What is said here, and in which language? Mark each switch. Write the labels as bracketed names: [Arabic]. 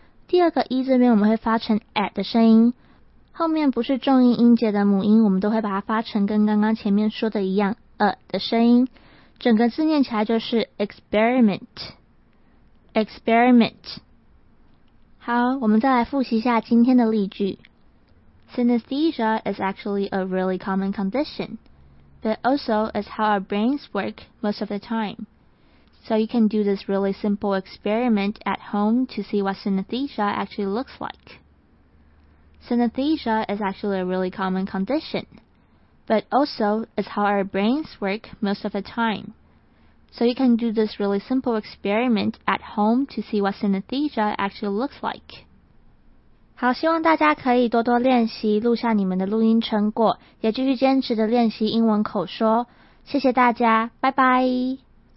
[Chinese] 第二个 e 这边我们会发成 at 的声音，后面不是重音音节的母音我们都会把它发成跟刚刚前面说的一样 a 的声音，整个字念起来就是 experiment, experiment。好，我们再来复习一下今天的例句。 [English] Synesthesia is actually a really common condition, but also is how our brains work most of the timeSo you can do this really simple experiment at home to see what synesthesia actually looks like. Synesthesia is actually a really common condition, but also is how our brains work most of the time. So you can do this really simple experiment at home to see what synesthesia actually looks like. [Chinese] 好，希望大家可以多多练习，录下你们的录音成果，也继续坚持的练习英文口说。谢谢大家，拜拜。